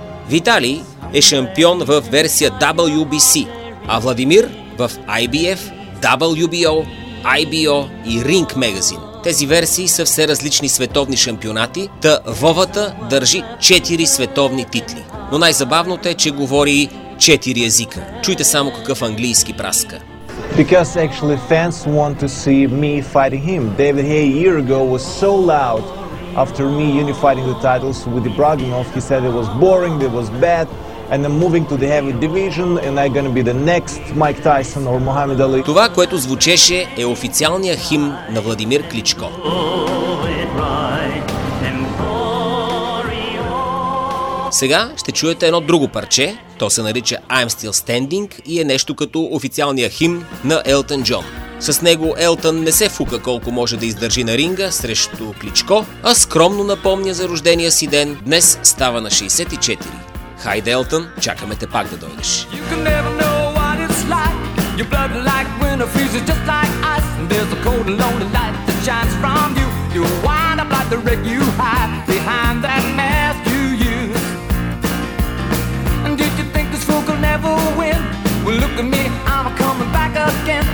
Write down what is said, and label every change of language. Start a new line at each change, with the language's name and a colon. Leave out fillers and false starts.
Bulgarian: Виталий е шампион в версия WBC, а Владимир в IBF, WBO, IBO и Ring Magazine. Тези версии са все различни световни шампионати, та Вовата държи 4 световни титли. Но най-забавното е, че говори 4 езика. Чуйте само какъв английски праска.
English: Because actually fans want to see me fighting him. David Haye a year ago was so loud after me unifying the titles with Ibragimov. He said it was boring, it was bad, and I'm moving to the heavy division and I'm going to be the next Mike Tyson or Muhammad Ali.
Bulgarian: Това, което звучеше, е официалния химн на Владимир Кличко. Oh, Сега ще чуете едно друго парче, то се нарича I'm Still Standing и е нещо като официалния химн на Елтън Джон. С него Елтън не се фука колко може да издържи на ринга срещу Кличко, а скромно напомня за рождения си ден, днес става на 64. Хайде, Елтън, чакаме те пак да дойдеш.
English: You can never know what it's like. Your blood like winter freezes just like ice. And there's a cold and lonely light that shines from you. You wind up like the wreck you hide behind that mask you use. And did you think this fool could never win? Well, look at me, I'm coming back again.